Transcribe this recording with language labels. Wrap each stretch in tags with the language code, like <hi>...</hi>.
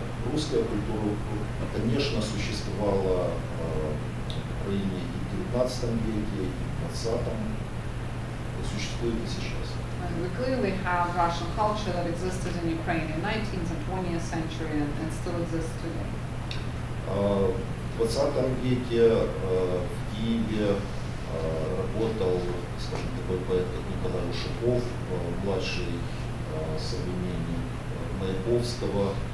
<ru>Русская культура, конечно, существовала в Украине. В 19 веке, в 20-м, существует и сейчас.</ru> <en>And we clearly have Russian culture that existed in Ukraine in 19th and 20th century and still exists today.</en> <ru>В 20 веке в Киеве работал, скажем, такой поэт, как Николай Ушаков, младший современник Маяковского.</ru>